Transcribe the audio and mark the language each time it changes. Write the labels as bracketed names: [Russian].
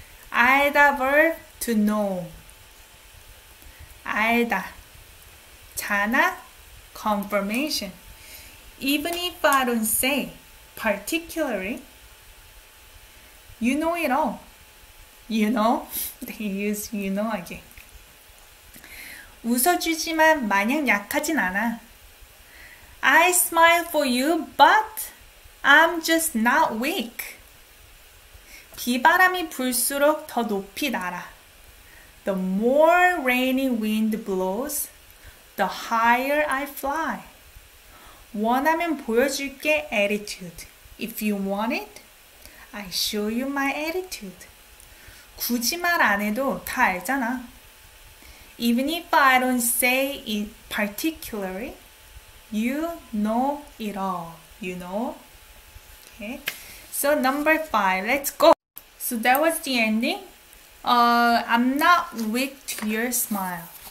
[English] 알다 verb to know. 알다. [Korean] 자나 confirmation. [English] Even if I don't say particularly, you know it all. You know? They use you know again. [Korean] 웃어주지만 마냥 약하진 않아. [English] I smile for you, but I'm just not weak. [Korean] 비바람이 불수록 더 높이 날아. [English] The more rainy wind blows, the higher I fly. [Korean] 원하면 보여줄게 [English] attitude. If you want it, I show you my attitude. [Korean] 굳이 말 안 해도 다 알잖아. [English] Even if I don't say it particularly, you know it all. You know? Okay. So number five, let's go. So that was the ending. I'm not weak to your smile.